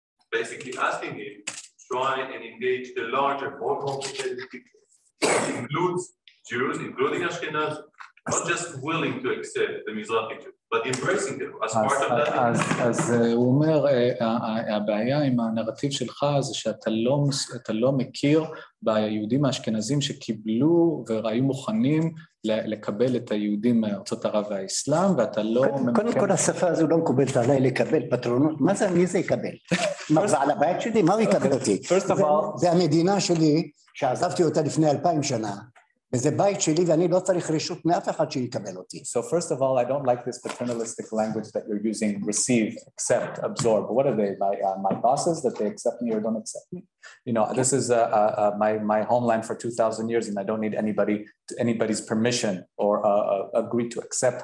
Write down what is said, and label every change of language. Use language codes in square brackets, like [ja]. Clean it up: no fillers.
[en] Basically asking him, try and engage the larger, more complicated people, includes Jews, including Ashkenaz, not just willing to accept the Mizrahi Jews, but embracing them as part of that. As he says, the problem with the narrative of you is that you don't know the Jews and Ashkenazim who received and were ready [he] לקבל את היהודים מארצות ערב והאסלאם, ואתה לא... קודם כל, השפה הזו לא מקובלת עליי לקבל פטרונות. מה זה, מי זה יקבל? מה זה על הבית שלי? מה הוא יקבל אותי? זה המדינה שלי, שעזבתי אותה לפני 2000 שנה, וזה בית שלי, ואני לא צריך רשות מאף אחד שיקבל אותי. [en] So first of all, I don't like this paternalistic language that you're using, receive, accept, absorb. What are they, my bosses, that they accept me or don't accept me? You know, this is my homeland for 2,000 years, and I don't need anybody's permission or agree to accept